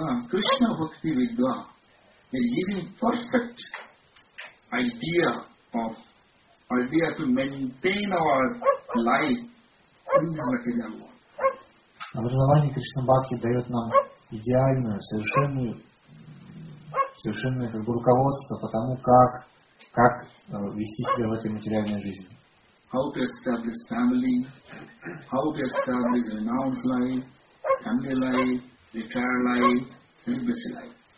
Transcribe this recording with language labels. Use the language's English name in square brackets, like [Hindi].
[English] Krishna Bhakti Vidwa is giving perfect idea to maintain our life in the material world. [Russian] Образование Кришна Бхакти дает нам идеальное, совершенное как бы руководство по тому, как вести себя в этой материальной жизни. [English] How to establish family, how to establish renowned life, family life, retired life, celibacy life.